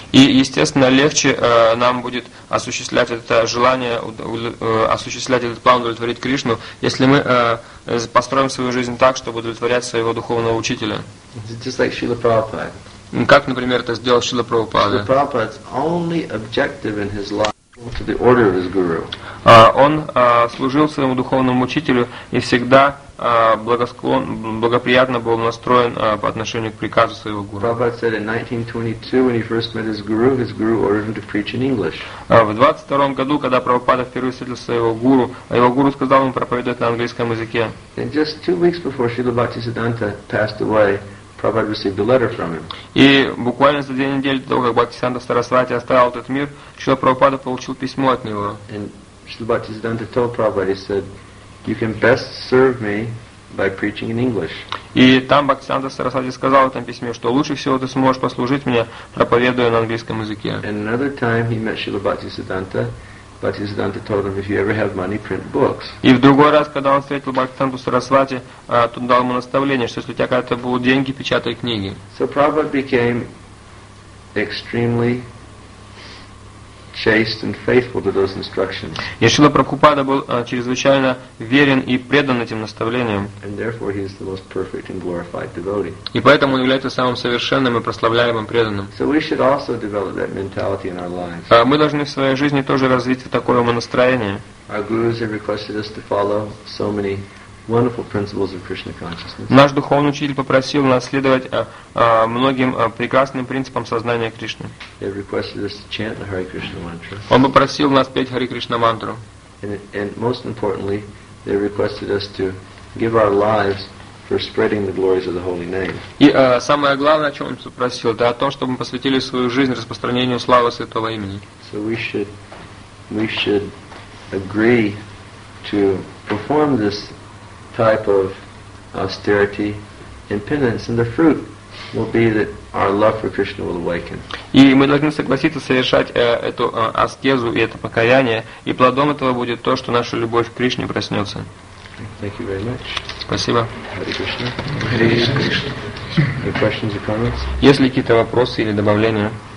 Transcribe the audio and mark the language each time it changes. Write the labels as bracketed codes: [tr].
[ru] И естественно легче нам будет осуществлять это желание, осуществлять этот план удовлетворить Кришну, если мы построим свою жизнь так, чтобы удовлетворять своего духовного учителя. [en] It's just like Srila Prabhupada. [ru] Как, например, это сделал Шрила Прабхупада? [en] Srila Prabhupada's only objective in his life was to the order of his guru. [ru] Он служил своему духовному учителю и всегда благоприятно был настроен по отношению к приказу своего гуру. [en] Prabhupada said in 1922, when he first met his guru ordered him to preach in English. [ru] В 22-м году, когда Прабхупада впервые встретил своего гуру, его гуру сказал ему проповедовать на английском языке. [en] And just 2 weeks before Srila Bhaktisiddhanta passed away, Prabhupada received a letter from him. [ru] И буквально за 2 недели до того, как Бхактисиддханта Сарасвати оставил этот мир, Шрила Прабхупада получил письмо от него. [en] And Srila Bhaktisiddhanta told Prabhupada, he said, "You can best serve me by preaching in English." [ru] И там Бхактисиддханта Сарасвати сказал в этом письме, что лучше всего ты сможешь послужить мне, проповедуя на английском языке. [en] And another time he met Srila Bhaktisiddhanta. Bhaktisiddhanta told him, "If you ever have money, print books." [ru] И в другой раз, когда он встретил Бхактисиддханту Сарасвати, тот дал ему наставление, что если у тебя когда-то будут деньги, печатай книги. [en] So Prabhupada became extremely chaste and faithful to those instructions. [ru] И Шрила Прабхупада был чрезвычайно верен и предан этим наставлениям. [en] And therefore he is the most perfect and glorified devotee. [ru] И поэтому он является самым совершенным и прославляемым преданным. [en] So we should also develop that mentality in our lives. [ru] Мы должны в своей жизни тоже развить такое умонастроение. [en] Our gurus have requested us to follow so many wonderful principles of Krishna consciousness. [ru] Наш духовный учитель попросил нас следовать многим прекрасным принципам сознания Кришны. [en] He requested us to chant the Hare Krishna mantra. [ru] Он попросил нас петь Hare Krishna мантру. [en] And most importantly, they requested us to give our lives for spreading the glories of the holy name. [ru] И самое главное, о чем он попросил, это о том, чтобы мы посвятили свою жизнь распространению славы святого имени. [en] So we should agree to perform this type of austerity and penance, and the fruit will be that our love for Krishna will awaken. [ru] И мы должны согласиться совершать эту аскезу и это покаяние, и плодом этого будет то, что наша любовь к Кришне проснется. [en] Thank you very much. [ru] Спасибо. [sa] Hare Krishna. Hare Krishna. [en] Any questions or comments? [ru] Есть ли какие-то вопросы или добавления?